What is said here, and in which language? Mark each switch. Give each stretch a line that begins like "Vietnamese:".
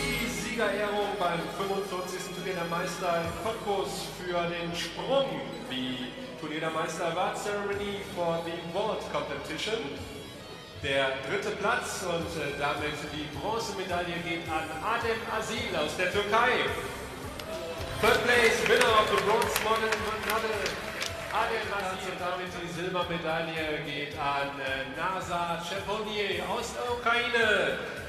German: Siegerehrung beim 45. Turnier der Meister in Cottbus für den Sprung.
English: Die Turnier der Meister Award Ceremony for the World Competition.
German: Der dritte Platz und damit die Bronzemedaille geht an Adem Asil aus der Türkei.
English: Third place, winner of the bronze medal, Adem Asil.
German: Und damit die Silbermedaille geht an Nazar Chepurnyi aus der Ukraine.